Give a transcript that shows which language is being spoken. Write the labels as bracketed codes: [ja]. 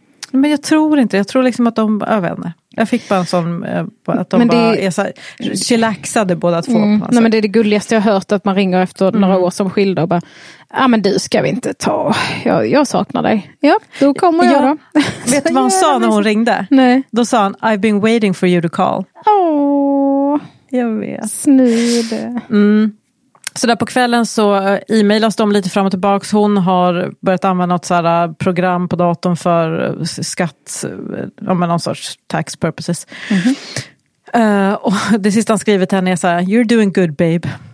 [sv] Men jag tror inte, jag tror liksom att de övervänner. Jag fick bara en sån, att de det, bara är så här, chillaxade båda två. Mm, nej, men det är det gulligaste jag har hört, att man ringer efter några år som skilda och bara, ja men du ska vi inte ta, jag saknar dig. Ja, då kommer jag då. Vet du vad hon sa när hon ringde? Nej. Då sa han, [en] I've been waiting for you to call. Åh, [sv] jag vet. Snud. Mm. Så där på kvällen så e-mailas de lite fram och tillbaka. Hon har börjat använda något så här program på datorn för skatt, någon sorts [en] tax purposes. Mm-hmm. [sv] Och det sista han skriver till henne är så här, [en] you're doing good babe.